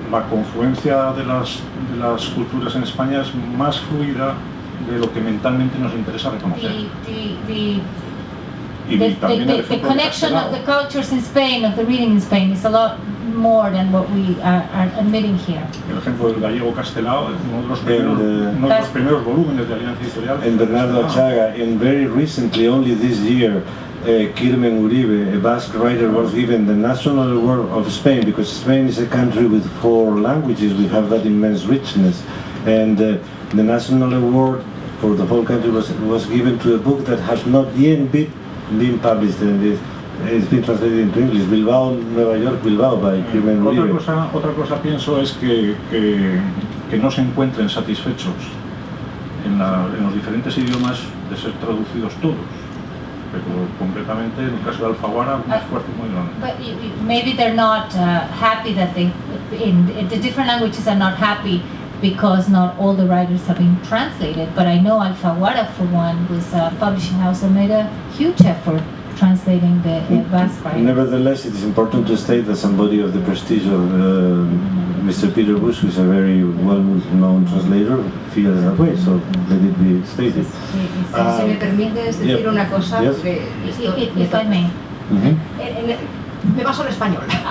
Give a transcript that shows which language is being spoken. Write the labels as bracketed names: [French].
[Spanish] La confluencia de las culturas en España es más fluida de lo que mentalmente nos interesa reconocer. [English] The the connection of the cultures in Spain, of the reading in Spain, is a lot more than what we are admitting here. [Spanish] El ejemplo del gallego castelado es uno de los primeros volúmenes de Alianza Editorial. [English] En Bernardo Chaga, and very recently, only this year, Kirmen Uribe, a Basque writer, was given the National Award of Spain, because Spain is a country with four languages. We have that immense richness. And the National Award for the whole country was given to a book that has not yet been published. And it's been translated into English, Bilbao, Nueva York, Bilbao, by Kirmen Uribe. [Spanish] Otra cosa pienso es que no se encuentren satisfechos en los diferentes idiomas de ser traducidos todos. Completamente, en el caso de Alfaguara, un esfuerzo muy grande. [English] But maybe they're not happy that they, in the different languages are not happy because not all the writers have been translated, but I know Alfaguara, for one, was a publishing house that made a huge effort translating the Basque writers. Nevertheless, it is important to state that somebody of the prestige of Mr. Peter Bush, who is a very well-known translator, feels that way, so let it be stated. [Spanish] Si me permites decir una cosa, me paso al español.